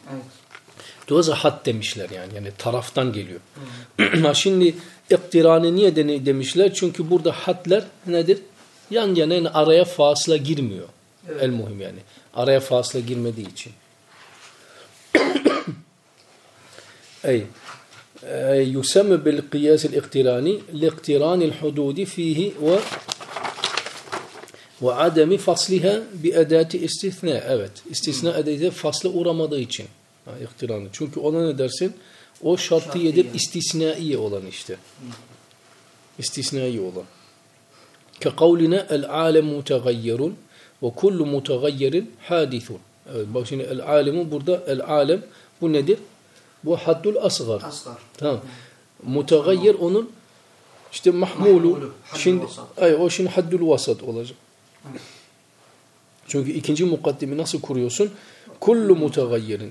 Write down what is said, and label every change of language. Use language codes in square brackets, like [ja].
[tr] Evet. Dolayısıyla had demişler yani. Yani taraftan geliyor. Şimdi iktirane niye demişler? Çünkü burada hadler nedir? Yan yana yani araya fasla girmiyor. Evet. El muhim yani. Araya fasla girmediği için. [ar] Ey يسمى بالقياس الاقتراني لاقتران الحدود فيه و وعدم فصلها بأداة استثناء. [tr] Evet, istisna edeyse fasla uğramadığı için iktiranı. Çünkü ona ne dersin? O şartı yedir istisnai olan işte. İstisnai olan. [ar] كقولنا العالم متغير وكل متغير حادث. [tr] Evet, bak şimdi العالم burada العالم bu nedir? Bu haddul asgar. Tamam. Mutagayyir onun işte mahmulu. Şimdi ay o şimdi haddul vasat olacak. Çünkü ikinci mukaddimi nasıl kuruyorsun? [ar] Kullu mutagayyirin.